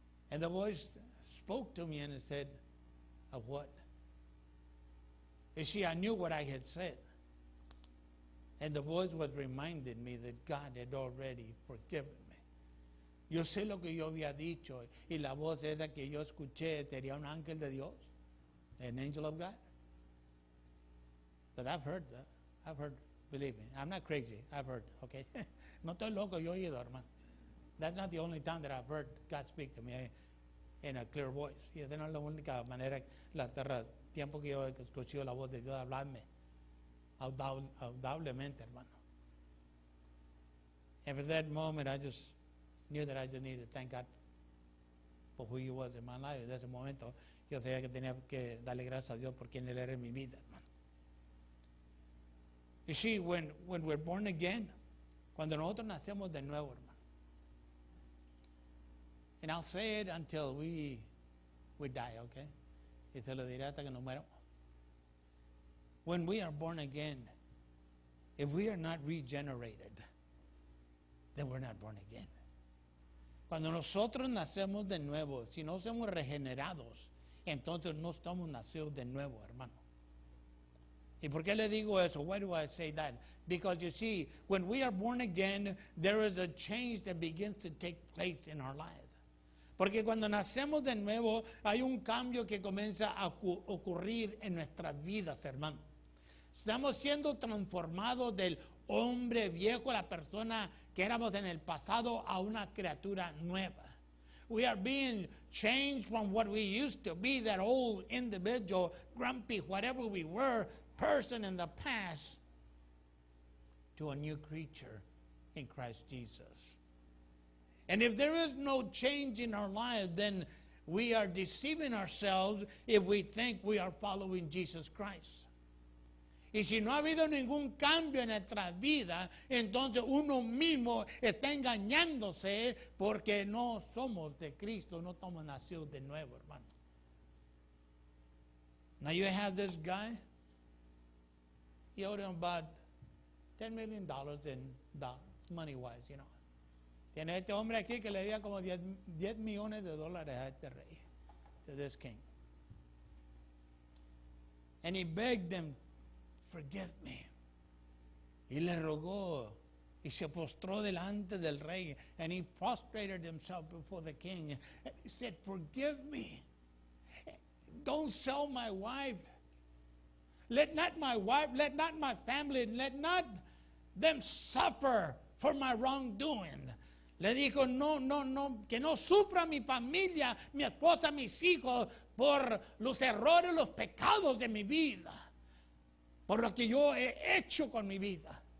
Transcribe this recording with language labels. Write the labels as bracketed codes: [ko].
[en] And the voice spoke to me and it said, of what? You see, I knew what I had said. And the voice was reminding me that God had already forgiven me. [es] Yo sé lo que yo había dicho. Y la voz esa que yo escuché sería un ángel de Dios. [en] An angel of God. But I've heard that. I've heard, believe me. I'm not crazy. I've heard, okay? [es] No estoy loco, yo he oído, hermano. [en] That's not the only time that I've heard God speak to me in a clear voice. [es] Y esa no es la única manera, la tierra, tiempo que yo he escuchado la voz de Dios hablarme audiblemente, hermano. [en] And for that moment, I just knew that I just needed to thank God for who he was in my life. [es] En ese momento, yo sabía que tenía que darle gracias a Dios por quien él era en mi vida, hermano. [en] You see, when we're born again, [es] cuando nosotros nacemos de nuevo, hermano, [en] and I'll say it until we die, okay? [es] Y se lo diré hasta que nos muéramos. [en] When we are born again, if we are not regenerated, then we're not born again. [es] Cuando nosotros nacemos de nuevo, si no somos regenerados, entonces no estamos nacidos de nuevo, hermano. ¿Y por qué le digo eso? [en] Why do I say that? Because you see, when we are born again, there is a change that begins to take place in our lives. [es] Porque cuando nacemos de nuevo, hay un cambio que comienza a ocurrir en nuestras vidas, hermano. Estamos siendo transformados del hombre viejo, la persona que éramos en el pasado, a una criatura nueva. [en] We are being changed from what we used to be, that old individual, grumpy, whatever we were, person in the past, to a new creature in Christ Jesus. And if there is no change in our life, then we are deceiving ourselves if we think we are following Jesus Christ. [es] Y si no ha habido ningún cambio en nuestra vida, entonces uno mismo está engañándose porque no somos de Cristo, no estamos nacidos de nuevo, hermano. [en] Now you have this guy, he owed him about $10 million in money-wise, you know. [es] Tiene este hombre aquí que le dio como 10 millones de dólares a este rey, [en] to this king. And he begged them, forgive me. [es] Y le rogó, y se postró delante del rey, [en] and he prostrated himself before the king. And he said, forgive me. Don't sell my wife. Let not my wife, let not my family, let not them suffer for my wrongdoing. [es] Le dijo, no, no, no, que no sufra mi familia, mi esposa, mis hijos, por los errores, los pecados de mi vida, por lo que yo he hecho con mi vida.